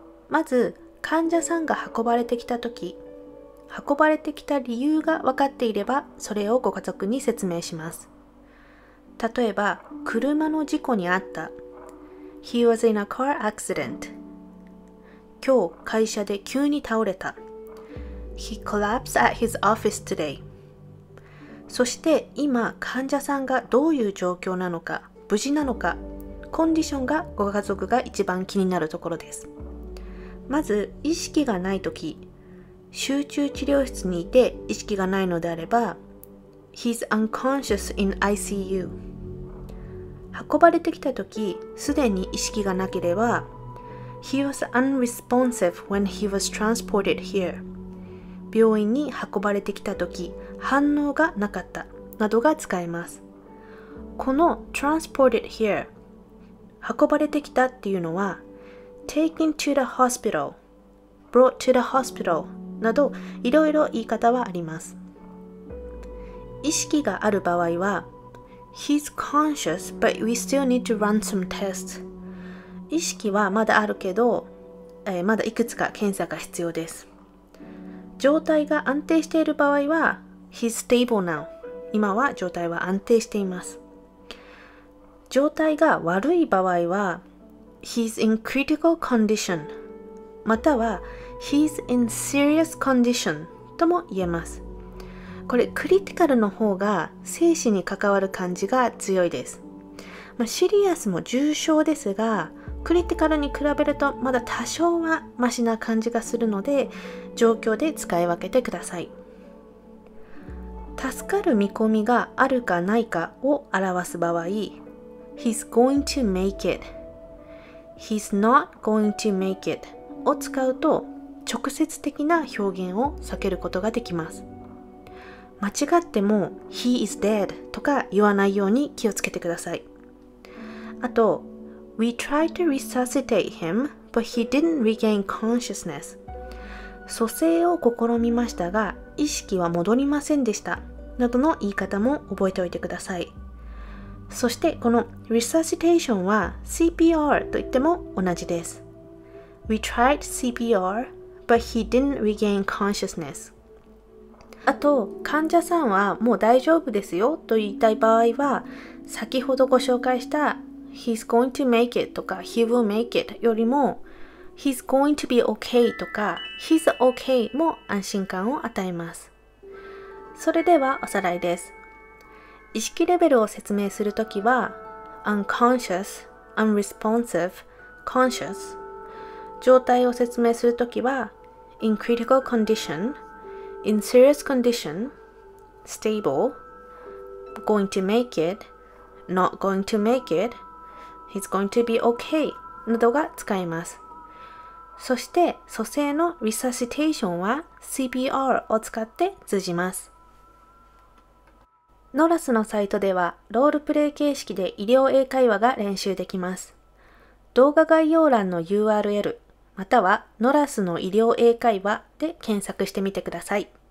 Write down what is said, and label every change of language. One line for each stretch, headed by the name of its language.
Japanese: まず、患者さんが運ばれてきたとき、運ばれてきた理由が分かっていれば、それをご家族に説明します。例えば、車の事故にあった。
English: He was in a car accident.
Japanese: 今日会社で急に倒れた。
English: He collapsed at his office today.
Japanese: そして今患者さんがどういう状況なのか、無事なのか、コンディションがご家族が一番気になるところです。まず意識がないとき、集中治療室にいて意識がないのであれば、
English: He's unconscious in ICU。
Japanese: 運ばれてきたとき、すでに意識がなければ、
English: He was unresponsive when he was transported here.
Japanese: 病院に運ばれてきたとき、反応がなかった、などが使えます。この transported here、運ばれてきたっていうのは、
English: taken to the hospital, brought to the hospital,
Japanese: など、いろいろ言い方はあります。意識がある場合は、
English: He's conscious, but we still need to run some tests.
Japanese: 意識はまだあるけど、まだいくつか検査が必要です。
English: 状態が安定している場合は、He's stable now.
Japanese: 今は状態は安定しています。状態が悪い場合は、
English: He's in critical condition. または、He's in serious condition.
Japanese: とも言えます。これクリティカルの方が生死に関わる感じが強いです、まあ、シリアスも重症ですがクリティカルに比べるとまだ多少はマシな感じがするので状況で使い分けてください。助かる見込みがあるかないかを表す場合
English: He's going to make it He's not going to make it
Japanese: を使うと直接的な表現を避けることができます。間違っても
English: He is dead
Japanese: とか言わないように気をつけてください。あと
English: We tried to resuscitate him, but he didn't regain consciousness.
Japanese: 蘇生を試みましたが意識は戻りませんでしたなどの言い方も覚えておいてください。そしてこの resuscitation は CPR と言っても同じです。
English: We tried CPR, but he didn't regain consciousness.
Japanese: あと、患者さんはもう大丈夫ですよと言いたい場合は、先ほどご紹介した
English: He's going to make it
Japanese: とか
English: He will make it
Japanese: よりも
English: He's going to be okay
Japanese: とか
English: He's okay
Japanese: も安心感を与えます。それではおさらいです。意識レベルを説明するときは Unconscious, Unresponsive, Conscious 状態を説明するときは
English: In critical condition,In serious condition, stable, going to make it,
Japanese: not going to make it,
English: he's going to be okay,
Japanese: などが使えます。そして、蘇生の resuscitation は CPR を使って通じます。ノラスのサイトでは、ロールプレイ形式で医療英会話が練習できます。動画概要欄の URL、またはノラスの医療英会話で検索してみてください。